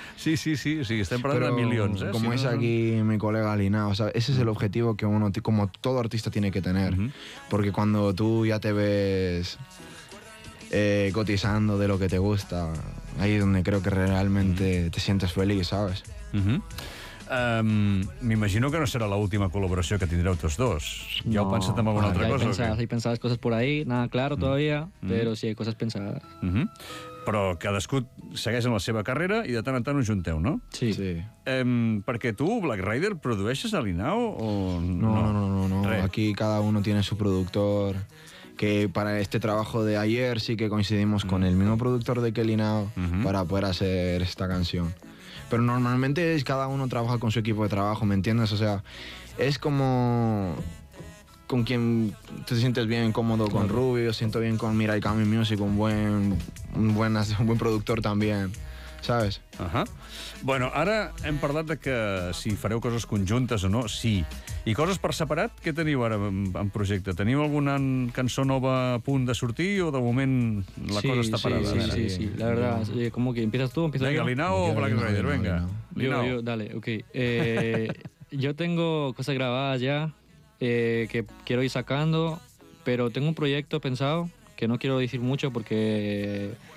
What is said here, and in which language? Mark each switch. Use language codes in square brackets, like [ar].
[es] Sí, están parando de millones, ¿eh? Como si es no... aquí mi colega Lina, o sea, ese es el objetivo que uno, como todo artista, tiene que tener. Porque cuando tú ya te ves cotizando de lo que te gusta, ahí es donde creo que realmente te sientes feliz, ¿sabes? [ca] M'imagino que no serà l'última col·laboració que tindreu tots dos. No. Ja heu pensat en alguna altra cosa? [es] Hay pensadas cosas por ahí, nada claro todavía, pero sí hay cosas pensadas. [ca] Però cadascú segueix en la seva carrera i de tant en tant ho junteu, no? Sí. Perquè tu, Black Rider, produeixes a Linao o... [es] No. Aquí cada uno tiene su productor. Que para este trabajo de ayer sí que coincidimos con el mismo productor de que Linao para poder hacer esta canción. Pero normalmente es cada uno trabaja con su equipo de trabajo, ¿me entiendes? O sea, es como con quien te sientes bien cómodo, con Rubio, siento bien con Mirai Kami Music, un buen productor también, ¿sabes? [ca] Bueno, ara hem parlat de que si fareu coses conjuntes o no, sí. I coses per separat, què teniu ara en projecte? Teniu alguna cançó nova a punt de sortir o de moment la cosa està parada? Sí. [es] La verdad, ¿cómo que empiezas tú? ¿Empiezas venga, Linao o Black Rider, Linao. Venga. Linao. Yo, dale, ok. yo tengo cosas grabadas ya que quiero ir sacando, pero tengo un proyecto pensado que no quiero decir mucho porque...